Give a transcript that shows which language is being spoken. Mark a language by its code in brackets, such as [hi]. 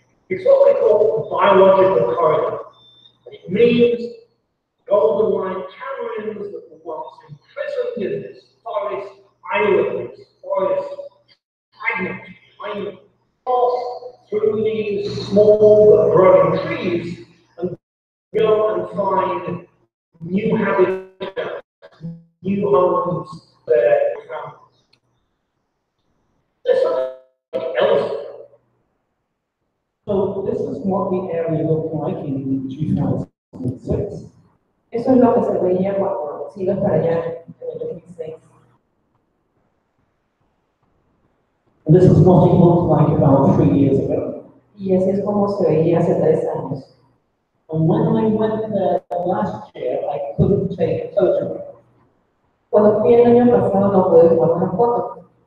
[en] It's what we call a biological corridor. It means golden lion tamarins that were once imprisoned in this forest island, this forest fragment, tiny, pass through these small growing trees and go and find new habitats. New homes, their families. There's something else. So this is what the area looked like in 2006. [es] Eso es lo que se veía cuando se iba para allá en 2006. [en] And this is what it looked like about 3 years ago. [es] Y así es como se veía hace 3 años. [en] And when I went there last year, I couldn't take a photograph. [es] Cuando fui el año pasado no pude tomar una foto.